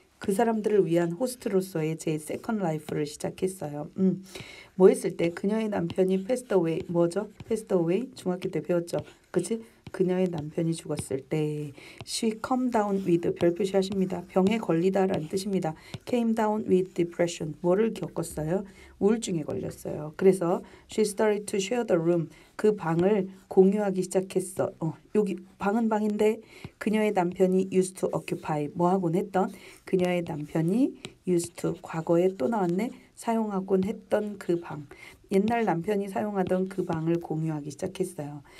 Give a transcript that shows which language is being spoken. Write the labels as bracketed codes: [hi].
[ko] 그 사람들을 위한 호스트로서의 제 세컨드 라이프를 시작했어요. 뭐 했을 때? 그녀의 남편이 패스트 어웨이, 뭐죠? 패스트 어웨이? 중학교 때 배웠죠? 그치? 그녀의 남편이 죽었을 때 [en] She come down with, [ko] 별 표시하십니다. 병에 걸리다 라는 뜻입니다. [en] Came down with depression. [ko] 뭐를 겪었어요? 우울증에 걸렸어요. 그래서 [en] She started to share the room. [ko] 그 방을 공유하기 시작했어. 여기 방은 방인데 그녀의 남편이 [en] used to occupy. [ko] 뭐하곤 했던? 그녀의 남편이 used to. 과거에 또 나왔네. 사용하곤 했던 그 방. 옛날 남편이 사용하던 그 방을 공유하기 시작했어요.